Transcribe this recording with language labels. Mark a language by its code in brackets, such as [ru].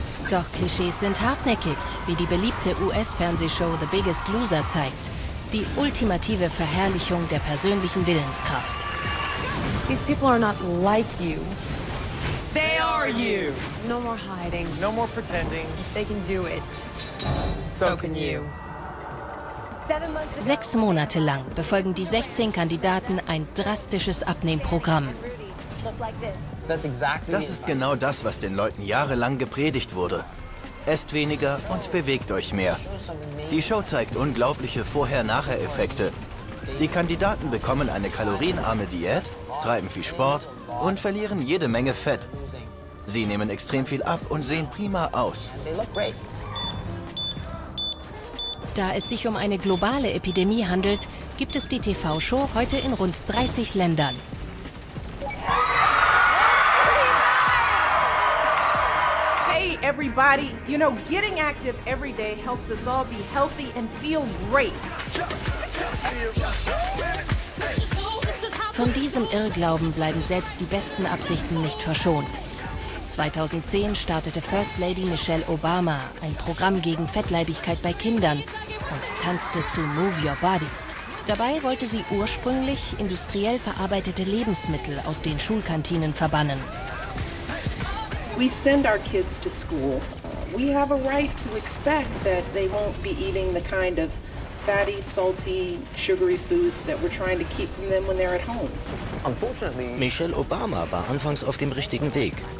[de] Doch Klischees sind hartnäckig, wie die beliebte US-Fernsehshow The Biggest Loser zeigt. Die ultimative Verherrlichung der persönlichen Willenskraft. [en] These people are not like you. They are you! No more hiding. No more pretending. If they can do it, so can you. [de] 6 Monate lang befolgen die 16 Kandidaten ein drastisches Abnehmprogramm. Das ist genau das, was den Leuten jahrelang gepredigt wurde. Esst weniger und bewegt euch mehr. Die Show zeigt unglaubliche Vorher-Nachher-Effekte. Die Kandidaten bekommen eine kalorienarme Diät, treiben viel Sport und verlieren jede Menge Fett. Sie nehmen extrem viel ab und sehen prima aus. Da es sich um eine globale Epidemie handelt, gibt es die TV-Show heute in rund 30 Ländern. [en] Hey, everybody. You know, getting active every day helps us all be healthy and feel great. [de] Von diesem Irrglauben bleiben selbst die besten Absichten nicht verschont. 2010 startete First Lady Michelle Obama ein Programm gegen Fettleibigkeit bei Kindern und tanzte zu Move Your Body. Dabei wollte sie ursprünglich industriell verarbeitete Lebensmittel aus den Schulkantinen verbannen. [en] We send our kids to school. We have a right to expect that they won't be eating the kind of fatty, salty, sugary foods that we're trying to keep from them when they're at home. Unfortunately, [de] Michelle Obama war anfangs auf dem richtigen Weg.